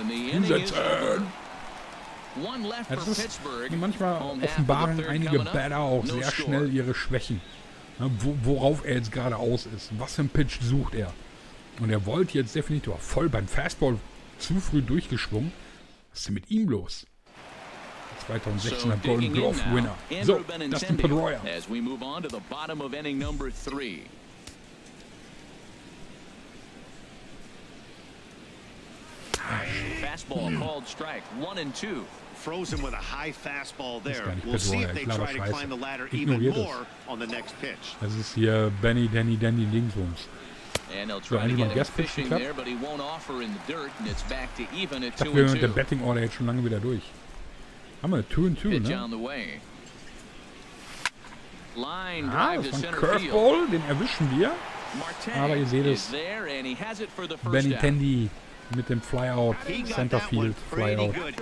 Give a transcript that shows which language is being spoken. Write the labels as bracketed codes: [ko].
[de] Hinsetzen! Das ist, manchmal offenbaren einige Batter auch sehr schnell ihre Schwächen. Ja, worauf er jetzt gerade aus ist. Was für ein Pitch sucht er? Und er wollte jetzt definitiv voll beim Fastball zu früh durchgeschwungen. Was ist denn mit ihm los? 2016er Golden Glove Winner. So, Dustin Pedroia. [en] As we move on to the bottom of inning number 3. Fastball called strike, 1-2. Frozen with a high fastball there. We'll see if they try to climb the ladder even more on the next pitch. [de] Das ist hier Benny, Danny, Danny, Dingsbums. So, eigentlich mal ein Guest-Pitch geklappt. Ich dachte, wir sind mit der Betting-Order jetzt schon lange wieder durch. Haben wir 2-2, ne? Ah, das war ein Curveball, den erwischen wir. Aber ihr seht es, Benny Tendi mit dem Flyout, Centerfield Flyout.